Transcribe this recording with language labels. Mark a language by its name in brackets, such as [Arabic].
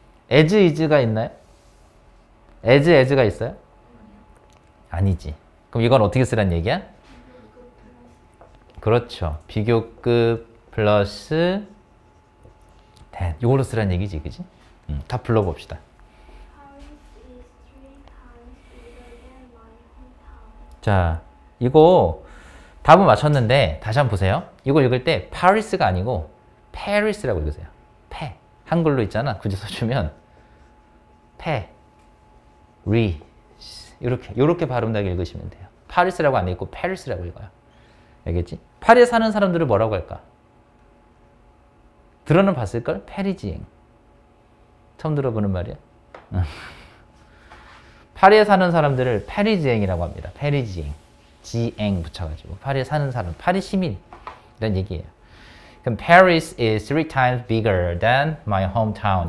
[English] as, is [Korean] 가 있나요? [English] as, as [Korean] 가 있어요? 아니지. 그럼 이건 어떻게 쓰라는 얘기야? 그렇죠. 비교급 플러스 that. 이걸로 쓰라는 얘기지, 그지? 다 불러봅시다. [English] Paris is 3 times bigger than my hometown. [Korean] 자, 이거 답은 맞췄는데 다시 한번 보세요. 이거 읽을 때 Paris가 아니고 Paris라고 읽으세요. 패. 한글로 있잖아. 굳이 써주면 Paris 이렇게 이렇게 발음하게 읽으시면 돼요. Paris라고 안 읽고 Paris라고 읽어요. 알겠지? 파리에 사는 사람들을 뭐라고 할까? 들어는 봤을걸? 파리지잉. 처음 들어보는 말이야? 파리에 사는 사람들을 파리지잉이라고 합니다. 파리지잉. 지앵 붙여가지고. 파리에 사는 사람, 파리 시민이라는 얘기예요. 그럼 [English] Paris is three times bigger than my hometown.